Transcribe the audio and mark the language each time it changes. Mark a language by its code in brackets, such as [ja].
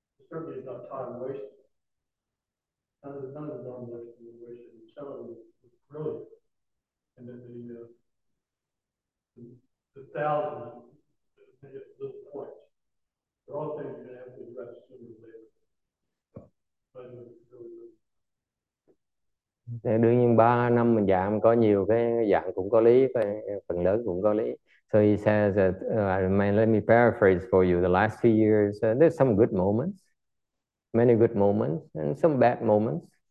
[en] Certainly it's not time wasted. None of the dharma that's been wasted. The telling is brilliant. And then the thousands of little points, they're all things you're going to have to address sooner or later. But it's really good. [vi] Đương nhiên 3 năm mình giảng có nhiều cái dạng cũng có lý, phần lớn cũng có lý. [en] So he says that, let me paraphrase for you, the last few years, there's some good moments, many good moments, and some bad moments.